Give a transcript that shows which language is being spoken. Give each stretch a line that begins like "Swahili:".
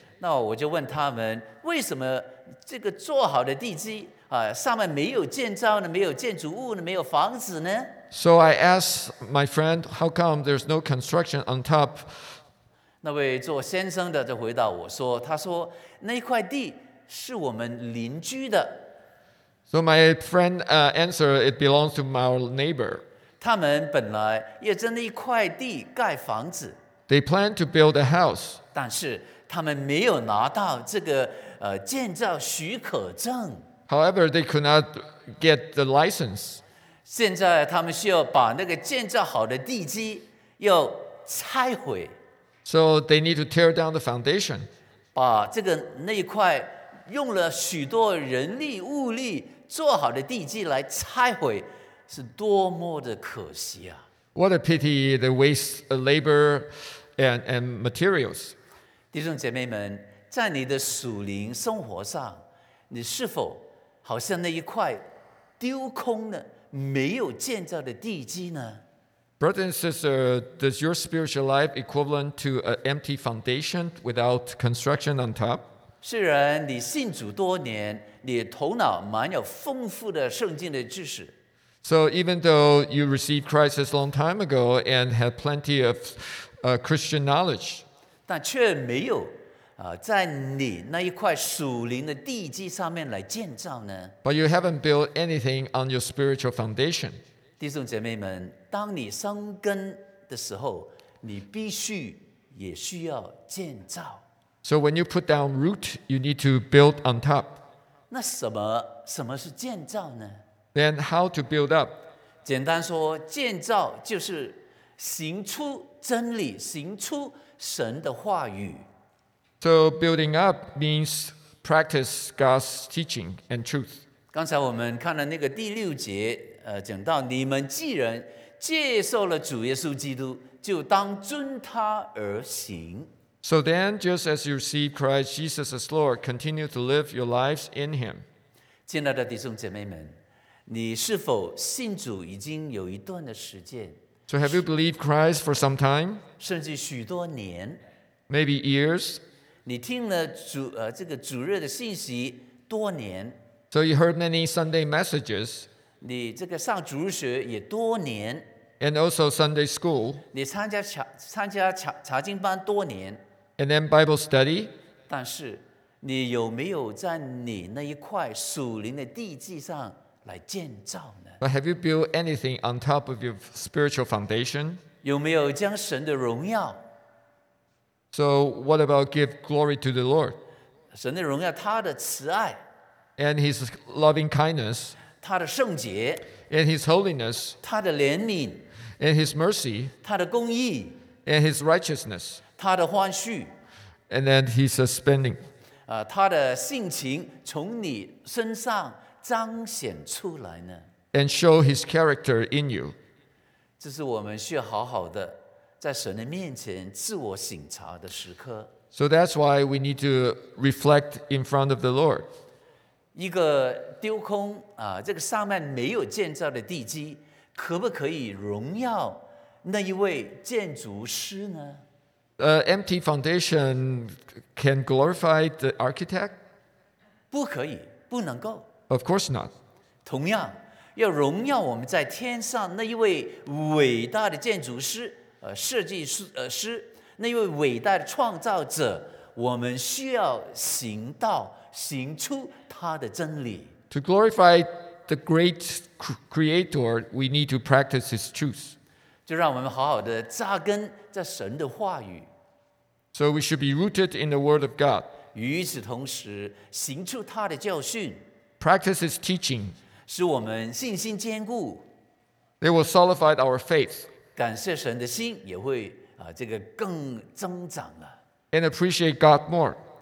Chinese: 那我就问他们，为什么这个做好的地基上面没有建造呢？没有建筑物呢？没有房子呢？
English: So I asked my friend, how come there's no construction on top?
Chinese: 那位做先生的就回答我说，他说那块地是我们邻居的，
English: So my friend answered, it belongs to our neighbor.
Chinese: 他们本来也争了一块地盖房子。
English: They planned to build a house.
Chinese: 但是他们没有拿到这个建造许可证。
English: However, they could not get the license.
Chinese: 现在他们需要把那个建造好的地基要拆毁。
English: So they need to tear down the foundation.
Chinese: 把这个那一块用了许多人力物力做好的地基来拆毁，是多么的可惜啊！
English: What a pity the waste of labor and materials.
Chinese: 弟兄姐妹们，在你的属灵生活上，你是否好像那一块丢空了没有建造的地基呢？
English: Brother and sister, does your spiritual life equivalent to an empty foundation without construction on top?
Chinese: 虽然你信主多年，你头脑满有丰富的圣经的知识。
English: So even though you received Christ a long time ago and had plenty of Christian knowledge,
Chinese: 但却没有在你那一块属灵的地基上面来建造呢？
English: But you haven't built anything on your spiritual foundation.
Chinese: 弟兄姐妹们，当你生根的时候，你必须也需要建造。
English: So when you put down root, you need to build on top.
Chinese: 那什么是建造呢？
English: Then how to build up?
Chinese: 简单说，建造就是行出真理，行出神的话语。
English: So building up means practice God's teaching and truth.
Chinese: 刚才我们看了那个第六节，讲到你们既然接受了主耶稣基督，就当遵他而行。
English: So then, just as you receive Christ Jesus as Lord, continue to live your lives in Him.
Chinese: 亲爱的弟兄姐妹们。你是否信主已经有一段的时间
English: ？So have you believed Christ for some time？
Chinese: 甚至许多年
English: ？Maybe years？
Chinese: 你听了主这个主日的信息多年
English: ？So you heard many Sunday messages？
Chinese: 你这个上主日学也多年
English: ？And also Sunday school？
Chinese: 你参加查经班多年
English: ？And then Bible study？
Chinese: 但是你有没有在你那一块属灵的地基上？来建造呢？
English: But have you built anything on top of your spiritual foundation?
Chinese: 有没有将神的荣耀？
English: So what about give glory to the Lord?
Chinese: 神的荣耀，他的慈爱。
English: And his loving kindness.
Chinese: 他的圣洁。
English: And his holiness.
Chinese: 他的怜悯。
English: And his mercy.
Chinese: 他的公义。
English: And his righteousness.
Chinese: 他的欢恤。
English: And then his spending.
Chinese: 他的性情从你身上彰显出来呢
English: ？And show his character in you.
Chinese: 这是我们需要好好的在神的面前自我省察的时刻。
English: So that's why we need to reflect in front of the Lord.
Chinese: 一个丢空这个上面没有建造的地基，可不可以荣耀那一位建筑师呢
English: ？Empty foundation can glorify the architect?
Chinese: 不可以，不能够。
English: Of course not.
Chinese: 同样，要荣耀我们在天上那一位伟大的建筑师、设计师、那一位伟大的创造者，我们需要行道，行出他的真理。
English: To glorify the great creator, we need to practice his truth.
Chinese: 就让我们好好的扎根在神的话语。
English: So we should be rooted in the word of God.
Chinese: 与此同时，行出他的教训。
English: Practice his teaching.
Chinese: 使我们信心坚固。
English: They will solidify our faith.
Chinese: 感谢神的心也会这个更增长了。
English: And appreciate God more.